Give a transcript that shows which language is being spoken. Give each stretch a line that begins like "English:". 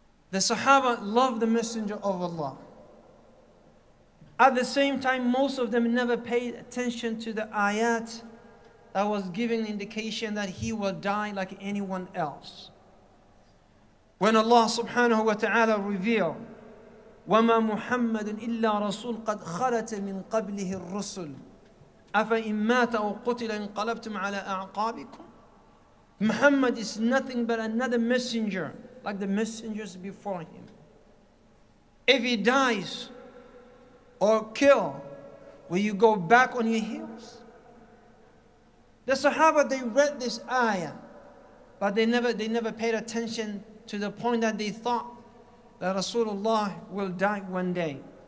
English: The Sahaba loved the Messenger of Allah. At the same time, most of them never paid attention to the ayat that was giving indication that he will die like anyone else. When Allah subhanahu wa ta'ala revealed,
Arabic: وَمَا مُحَمَّدٌ إِلَّا رَسُولٌ قَدْ خَلَتَ مِنْ قَبْلِهِ الرُّسُلُ أَفَإِنْ مَاتَ أَوْ قُتِلَ إِنْقَلَبْتُمْ عَلَىٰ أَعْقَابِكُمْ.
English: Muhammad is nothing but another messenger like the messengers before him. If he dies or kill, will you go back on your heels? The Sahaba, they read this ayah, but they never paid attention to the point that they thought that Rasulullah will die one day.